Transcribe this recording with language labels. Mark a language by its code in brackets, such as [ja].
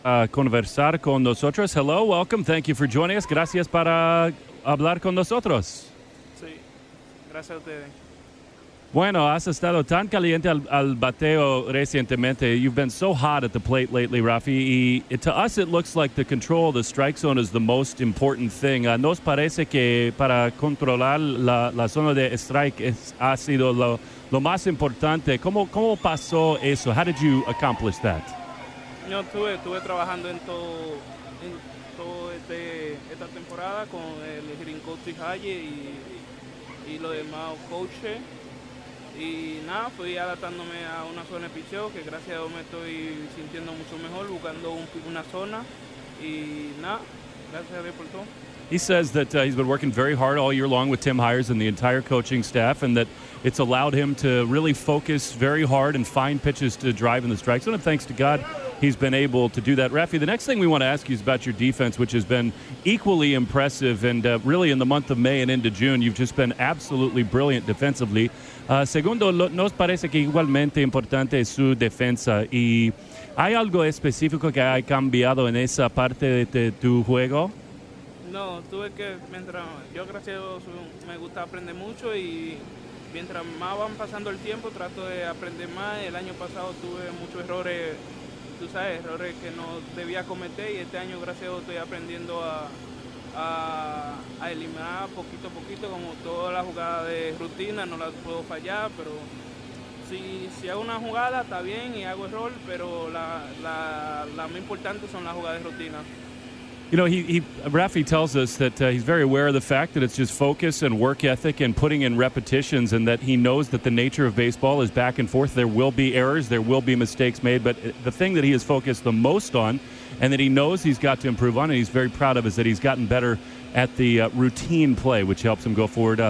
[es] Conversar con nosotros. [en] Hello, welcome. Thank you for joining us. [es] Gracias para hablar con nosotros. Sí, gracias a ustedes. Bueno, has estado tan caliente al bateo recientemente. [en] You've been so hot at the plate lately, Rafi. To us, it looks like the control of the strike zone is the most important thing. [es] Nos parece que para controlar la zona de strike ha sido lo más importante. ¿Cómo pasó eso? [en] How did you accomplish that? [es] Yo estuve trabajando en toda esta temporada con el hitting coach Jaye y los demás coaches. Y nada, fui adaptándome a una zona de picheo que gracias a Dios me estoy sintiendo mucho mejor, buscando una zona. Y nada, gracias a Dios por todo. [en] He says that he's been working very hard all year long with Tim Hyers and the entire coaching staff, and that it's allowed him to really focus very hard and find pitches to drive in the strike zone. And thanks to God, he's been able to do that. Rafi, the next thing we want to ask you is about your defense, which has been equally impressive. And really, in the month of May and into June, you've just been absolutely brilliant defensively. [es] Segundo, nos parece que igualmente importante es su defensa. ¿Y hay algo específico que ha cambiado en esa parte de tu juego? No, tuve que, mientras yo, gracias a Dios, me gusta aprender mucho y mientras más van pasando el tiempo, trato de aprender más. El año pasado tuve muchos errores, tú sabes, errores que no debía cometer, y este año, gracias a Dios, estoy aprendiendo a eliminar poquito a poquito, como toda la jugada de rutina, no la puedo fallar, pero si hago una jugada, está bien y hago error, pero la más importante son las jugadas de rutina. [en] You know, Rafi tells us that he's very aware of the fact that it's just focus and work ethic and putting in repetitions, and that he knows that the nature of baseball is back and forth. There will be errors, there will be mistakes made, but the thing that he is focused the most on and that he knows he's got to improve on, and he's very proud of, is that he's gotten better at the routine play, which helps him go forward.